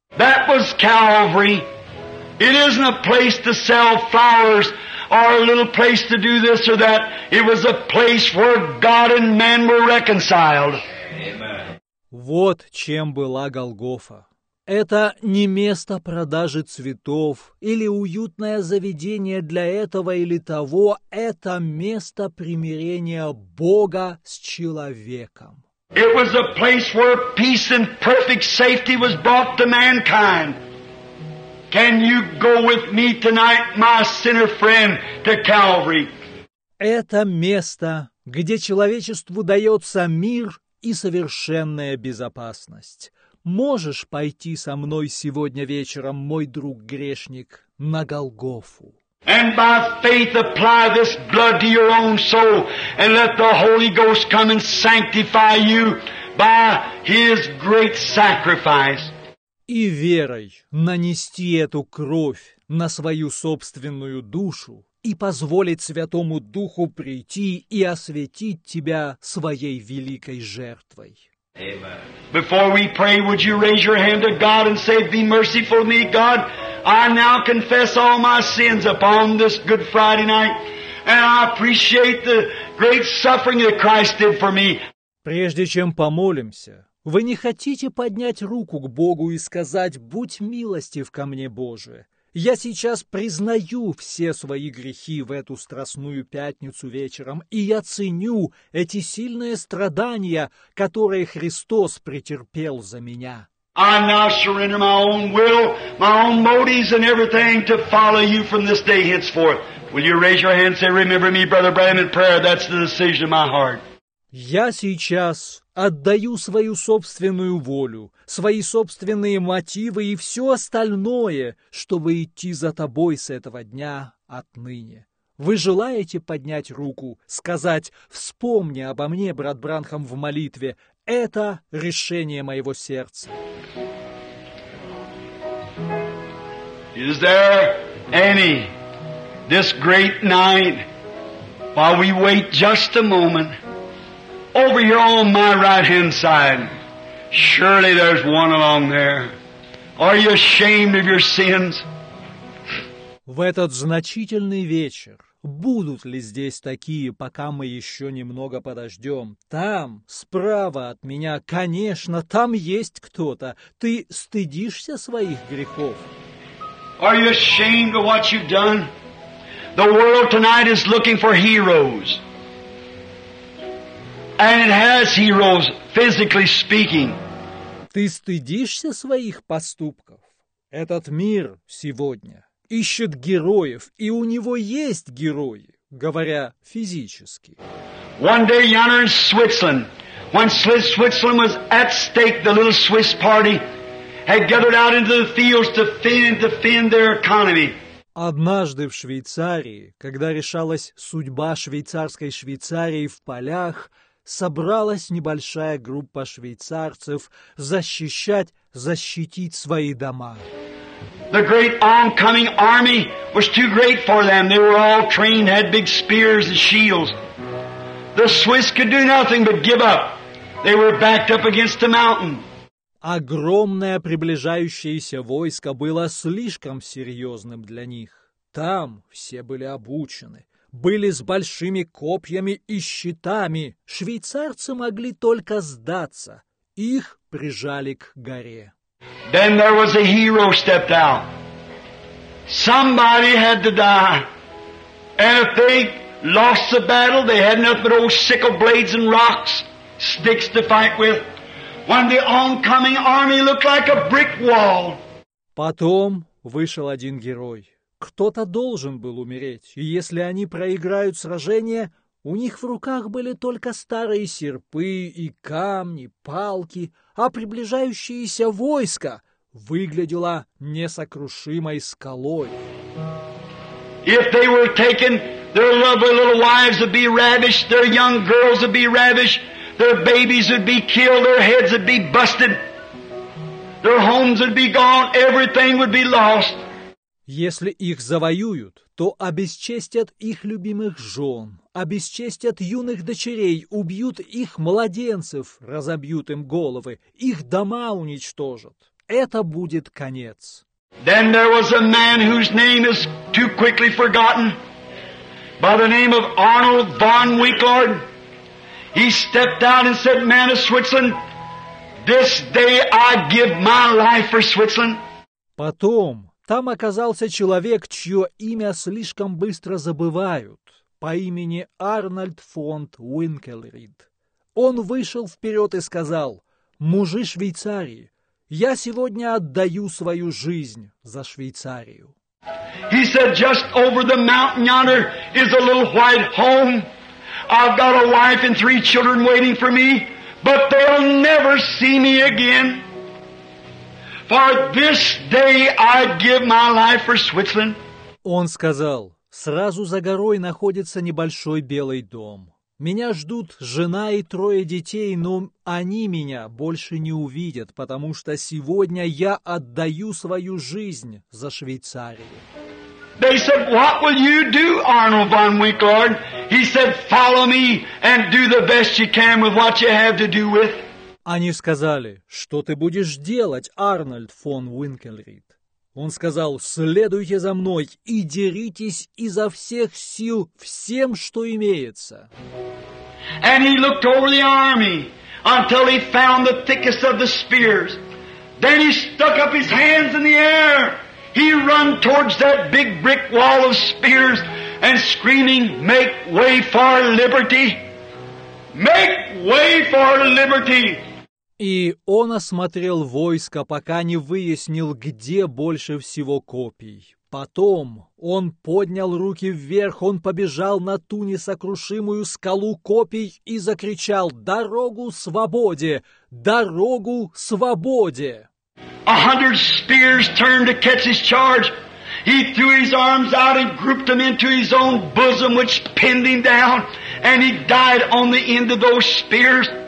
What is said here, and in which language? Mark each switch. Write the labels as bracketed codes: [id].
[en] That was Calvary. It isn't a place to sell flowers or a little place to do this or that. It was a place where God and man were reconciled. [ru] Вот чем была Голгофа. Это не место продажи цветов или уютное заведение для этого или того, это место примирения Бога с человеком. [en] It was a place where peace and perfect safety was brought to mankind. Can you go with me tonight, my sinner friend, to Calvary? [ru] Это место, где человечеству дается мир и совершенная безопасность. Можешь пойти со мной сегодня вечером, мой друг грешник, на Голгофу. [en] And by faith apply this blood to your own soul, and let the Holy Ghost come and sanctify you by His great sacrifice. [ru] И верой нанести эту кровь на свою собственную душу и позволить Святому Духу прийти и осветить тебя своей великой жертвой. [en] Amen. Before we pray, would you raise your hand to God and say, "Be merciful to me, God. I now confess all my sins upon this Good Friday night, and I appreciate the great suffering that Christ did for me." [ru] Прежде чем помолимся, вы не хотите поднять руку к Богу и сказать, «Будь милостив ко мне, Боже. Я сейчас признаю все свои грехи в эту страстную пятницу вечером, и я ценю эти сильные страдания, которые Христос претерпел за меня». [en] I now surrender my own will, my own motives and everything to follow you from this day henceforth. Will you raise your hand and say, "Remember me, Brother Branham, in prayer"? That's the decision of my heart. [ru] Я сейчас отдаю свою собственную волю, свои собственные мотивы и все остальное, чтобы идти за тобой с этого дня отныне. Вы желаете поднять руку, сказать «Вспомни обо мне, брат Бранхам, в молитве. Это решение моего сердца». [en] Is there any this great night, while we wait just a moment, over here on my right hand side, surely there's one along there. Are you ashamed of your sins? [ru] В этот значительный вечер будут ли здесь такие, пока мы еще немного подождем? Там, справа от меня, конечно, там есть кто-то. Ты стыдишься своих грехов? [en] Are you ashamed of what you've done? The world tonight is looking for heroes. And it has heroes, physically speaking. [ru] Ты стыдишься своих поступков? Этот мир сегодня ищет героев, и у него есть герои, говоря физически. [en] One day yonder in Switzerland, when Switzerland was at stake, the little Swiss party had gathered out into the fields to defend their economy. [ru] Однажды в Швейцарии, когда решалась судьба швейцарской Швейцарии в полях, собралась небольшая группа швейцарцев защитить свои дома. [en] The great oncoming army was too great for them. They were all trained, had big spears and shields. The Swiss could do nothing but give up. They were backed up against the mountain. [ru] Огромное приближающееся войско было слишком серьезным для них. Там все были обучены, были с большими копьями и щитами. Швейцарцы могли только сдаться. Их прижали к горе. [en] Then there was a hero stepped out. Somebody had to die. And if they lost the battle, they had nothing but old sickle blades and rocks, sticks to fight with. When the oncoming army looked like a brick wall. [ru] Потом вышел один герой. Кто-то должен был умереть, и если они проиграют сражение, у них в руках были только старые серпы и камни, палки, а приближающееся войско выглядело несокрушимой скалой. [en] If they were taken, their lovely little wives would be ravished, their young girls would be ravished. Their babies would be killed, their heads would be busted, their homes would be gone, everything would be lost. [ru] Если их завоюют, то обесчестят их любимых жен, обесчестят юных дочерей, убьют их младенцев, разобьют им головы, их дома уничтожат. Это будет конец. [en] Then there was a man whose name is too quickly forgotten, by the name of Arnold von Winkler. He stepped out and said, "Man of Switzerland, this day I give my life for Switzerland." [ru] Потом там оказался человек, чье имя слишком быстро забывают, по имени Арнольд фон Винкельрид. Он вышел вперед и сказал: "Мужи Швейцарии, я сегодня отдаю свою жизнь за Швейцарию." [en] He said, "Just over the mountain yonder is a little white home. I've got a wife and three children waiting for me, but they'll never see me again. For this day I give my life for Switzerland." [ru] Он сказал: "Сразу за горой находится небольшой белый дом. Меня ждут жена и трое детей, но они меня больше не увидят, потому что сегодня я отдаю свою жизнь за Швейцарию." [en] They said, "What will you do, Arnold von Winkler?" He said, "Follow me and do the best you can with what you have to do with." [ru] Они сказали: "Что ты будешь делать, Арнольд фон Винкельрид?" Он сказал: "Следуйте за мной и деритесь изо всех сил всем, что имеется." [en] And he looked over the army until he found the thickest of the spears. Then he stuck up his hands in the air. He ran towards that big brick wall of spears and screaming, "Make way for liberty! Make way for liberty!" [ru] И он осмотрел войско, пока не выяснил, где больше всего копий. Потом он поднял руки вверх, он побежал на ту несокрушимую скалу копий и закричал: "Дорогу свободе! Дорогу свободе!" [en] 100 spears turned to catch his charge. He threw his arms out and grouped them into his own bosom, which pinned him down, and he died on the end of those spears.